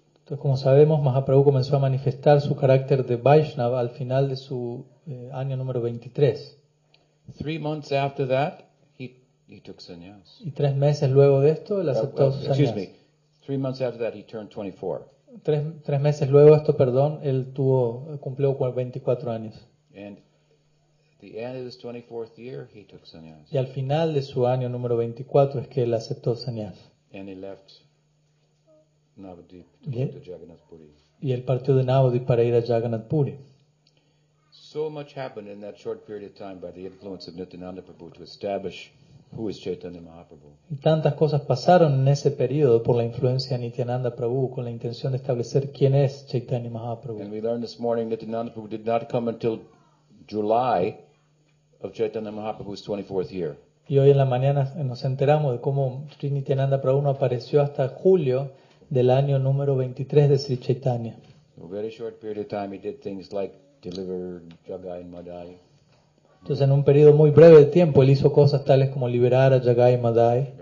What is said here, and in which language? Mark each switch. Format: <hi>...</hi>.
<es>Entonces, como sabemos, Mahaprabhu comenzó a manifestar su carácter de Vaishnava al final de su año número 23.</es> <en>3 months after that, he took sannyas.</en> <es>Y 3 meses luego de esto, él aceptó su sannyas.</es> <en>Excuse me. 3 months after that, he turned 24.</en> <es>Tres meses luego de esto, perdón, él cumplió 24 años.</es> <en>And the end of his 24th year, he took sannyas.</en> <es>Y al final de su año número 24 es que él aceptó sannyas.</es> <en>And he left Navadvipa to Jagannath Puri.</en> <es>Y él partió de Navadvipa para ir a Jagannath Puri.</es> <en>So much happened in that short period of time by the influence of Nityananda Prabhu to establish who is Chaitanya Mahaprabhu.</en> <es>Y tantas cosas pasaron en ese periodo por la influencia de Nityananda Prabhu con la intención de establecer quién es Chaitanya Mahaprabhu.</es> <en>And we learned this morning that Nityananda Prabhu did not come until July of Chaitanya Mahaprabhu's 24th year.</en> <es>Y hoy en la mañana nos enteramos de cómo Sri Nityananda Prabhu no apareció hasta julio del año número 23 de Sri Chaitanya.</es> <en>In a very short period of time, he did things like deliver Jagai and Madai.</en> <es>Entonces, en un periodo muy breve de tiempo, él hizo cosas tales como liberar a Jagai y Madai.</es>